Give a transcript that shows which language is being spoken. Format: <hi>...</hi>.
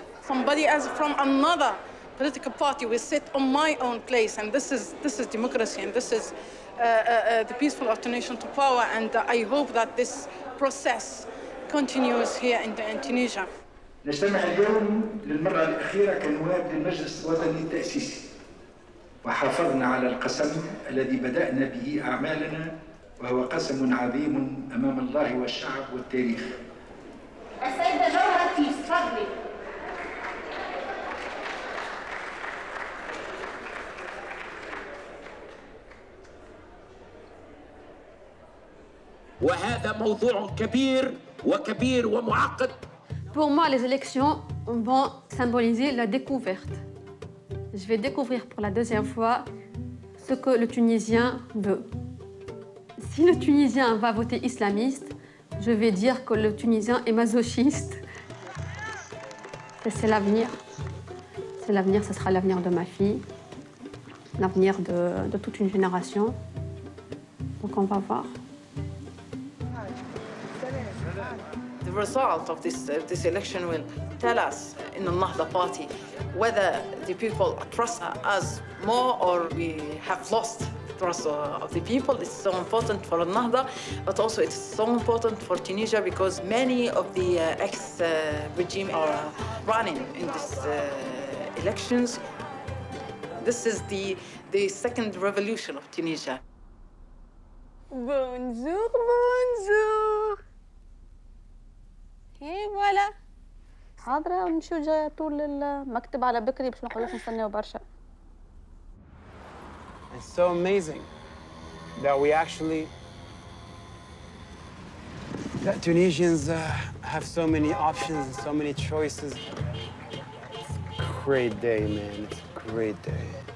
<en>Somebody as from another political party will sit on my own place, and this is democracy, and this is the peaceful alternation to power, and I hope that this process continues here in Tunisia.</en> <ar>نجتمع اليوم للمرة الأخيرة كنواب للمجلس الوطني التأسيسي، وحافظنا على القسم الذي بدأنا به أعمالنا. وهو قسم عظيم أمام الله والشعب والتاريخ السيدة جوهرة إتيس، تفضلي. وهذا موضوع كبير وكبير ومعقد.</ar> <fr>Pour moi, les élections vont symboliser la découverte. Je vais découvrir pour la deuxième fois ce que le Tunisien veut. Si le Tunisien va voter islamiste, je vais dire que le Tunisien est masochiste. Et c'est l'avenir. C'est l'avenir, ce sera l'avenir de ma fille, l'avenir de toute une génération. Donc on va voir.</fr> <en>The result of this election will tell us in the Ennahda party whether the people trust us more or we have lost trust of the people. It's so important for Ennahda, but also it's so important for Tunisia because many of the ex-regime are running in this elections. This is the second revolution of Tunisia.</en> <fr>Bonjour, bonjour.</fr> <ar>هي ولا حاضرة ونمشيو جاية طول المكتب على بكري باش ما نقعدوش نستناو برشا.</ar> <en>It's so amazing that we actually that Tunisians have so many options and so many choices. It's a great day, man. It's a great day.</en>